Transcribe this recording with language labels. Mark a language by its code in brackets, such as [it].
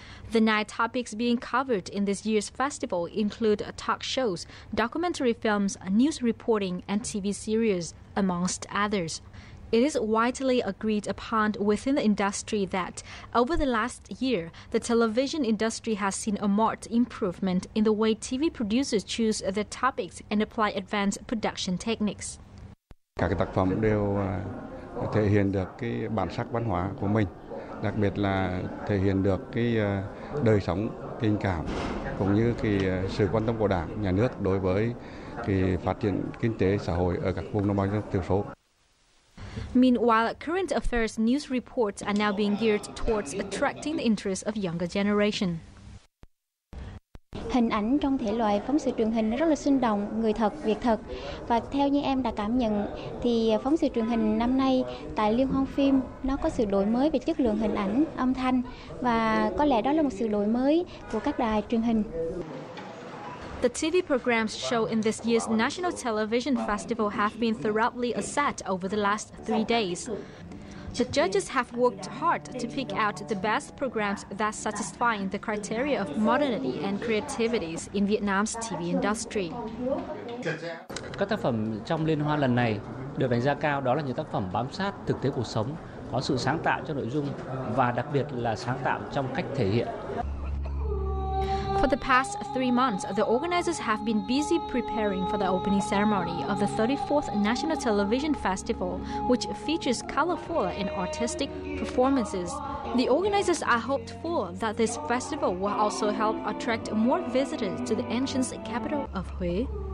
[en] The nine topics being covered in this year's festival include talk shows, documentary films, news reporting, and TV series, amongst others. It is widely agreed upon within the industry that over the last year, the television industry has seen a marked improvement in the way TV producers choose their topics and apply advanced production techniques. [vi] Các tác phẩm đều thể hiện được cái bản sắc văn hóa của mình, đặc biệt là thể hiện được cái đời sống, tình cảm cũng như cái sự quan tâm của Đảng, Nhà nước đối với cái phát triển kinh tế xã hội ở các vùng đồng bào dân tộc thiểu số. [en] Meanwhile, current affairs news reports are now being geared towards attracting the interest of younger generation. [vi] Hình ảnh trong thể loại phóng sự truyền hình rất là sinh động, người thật, việc thật. Và theo như em đã cảm nhận, thì phóng sự truyền hình năm nay tại Liên hoan phim nó có sự đổi mới về chất lượng hình ảnh, âm thanh. Và có lẽ đó là một sự đổi mới của các đài truyền hình. [en] The TV programs show in this year's National Television Festival have been thoroughly assessed over the last 3 days. The judges have worked hard to pick out the best programs that satisfy the criteria of modernity and creativity in Vietnam's TV industry. [vi] Các tác phẩm trong liên hoan lần này được đánh giá cao đó là những tác phẩm bám sát thực tế cuộc sống, có sự sáng tạo trong nội dung và đặc biệt là sáng tạo trong cách thể hiện. [en] For the past 3 months, the organizers have been busy preparing for the opening ceremony of the 34th National Television Festival, which features colorful and artistic performances. The organizers are hopeful that this festival will also help attract more visitors to the ancient capital of Hue.